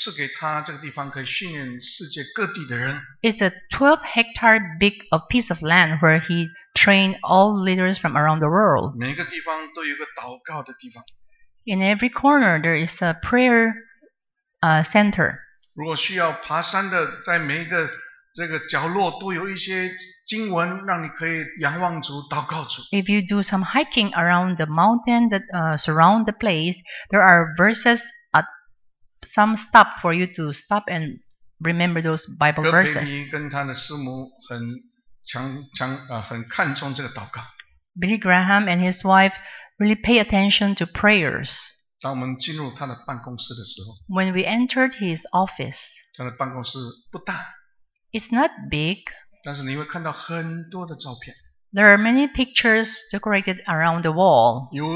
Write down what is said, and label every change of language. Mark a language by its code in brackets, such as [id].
[zh] 在这个很大的地方，神赐给他这个地方可以训练世界各地的人。 [en] It's a 12 hectare big of piece of land where he trained all leaders from around the world. [zh] 每个地方都有一个祷告的地方。 [en] In every corner there is a prayer center. [zh] 如果需要爬山的，在每一个这个角落都有一些经文，让你可以仰望主、祷告主。 [en] If you do some hiking around the mountain that surround the place, there are verses at some stop for you to stop and remember those Bible verses. [zh] 哥培尼跟他的师母很看重这个祷告。 [en] Billy Graham and his wife really pay attention to prayers. [zh] 当我们进入他的办公室的时候， [en] When we entered his office, [zh] 他的办公室不大。 [en] It's not big. [zh] 但是你会看到很多的照片。 [en] There are many pictures decorated around the wall.